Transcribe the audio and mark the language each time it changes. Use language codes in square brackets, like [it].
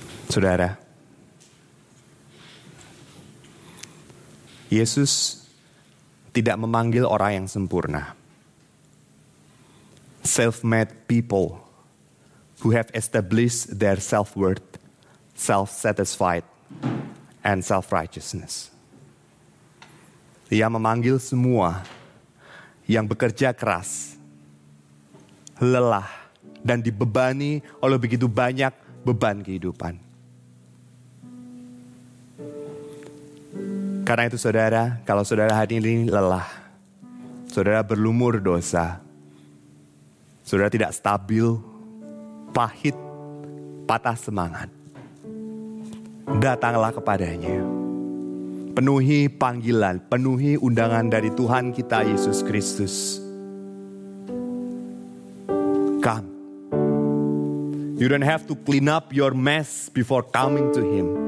[id] Saudara, Yesus tidak memanggil orang yang sempurna. [en] Self-made people who have established their self-worth, self-satisfied, and self-righteousness. [id] Ia memanggil semua yang bekerja keras, lelah, dan dibebani oleh begitu banyak beban kehidupan. Karena itu saudara, kalau saudara hari ini lelah, saudara berlumur dosa, saudara tidak stabil, pahit, patah semangat, datanglah kepadanya. Penuhi panggilan, penuhi undangan dari Tuhan kita Yesus Kristus. [en] Come. You don't have to clean up your mess before coming to Him.